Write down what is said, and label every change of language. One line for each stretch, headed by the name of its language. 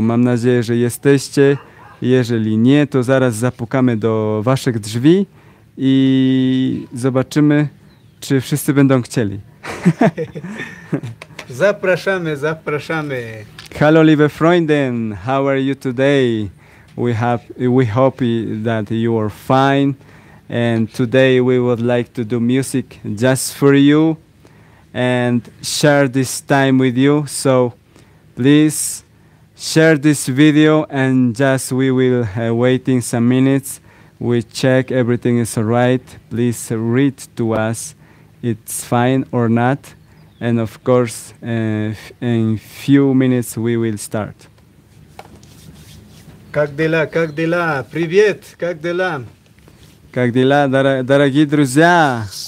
Polish: Mam nadzieję, że jesteście. Jeżeli nie, to zaraz zapukamy do waszych drzwi i zobaczymy, czy wszyscy będą chcieli. Zapraszamy, zapraszamy.
German: Hallo, liebe Freundin.
English: How are you today? We hope that you are fine. And today we would like to do music just for you. And share this time with you. So please share this video and just we will wait in some minutes. We check everything is all right. Please read to us it's fine or not. And of course, in few minutes we will start.
Russian: Как дела, привет, как дела? Как дела, дорогие друзья?